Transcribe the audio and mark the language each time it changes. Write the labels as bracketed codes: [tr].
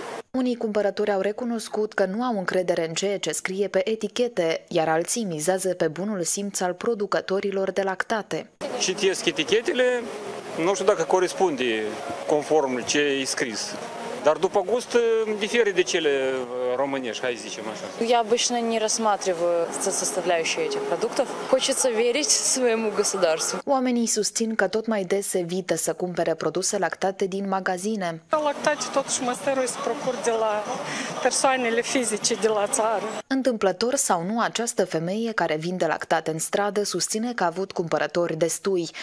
[ro] unii cumpărători au recunoscut că nu au încredere în ceea ce scrie pe etichete, iar alții mizează pe bunul simț al producătorilor de lactate. Citesc etichetele, nu știu dacă corespunde conform ce e scris, dar după gust diferă de cele românești, hai zicem așa. [ru] Я обычно не рассматриваю составляющие этих продуктов. Хочется верить своему государству. [ro] Oamenii susțin că tot mai des evită să cumpere produse lactate din magazine. Lactate totuși mă stăruie să procur de la persoanele fizice de la țară. Întâmplător sau nu, această femeie care vinde lactate în stradă susține că a avut cumpărători destui.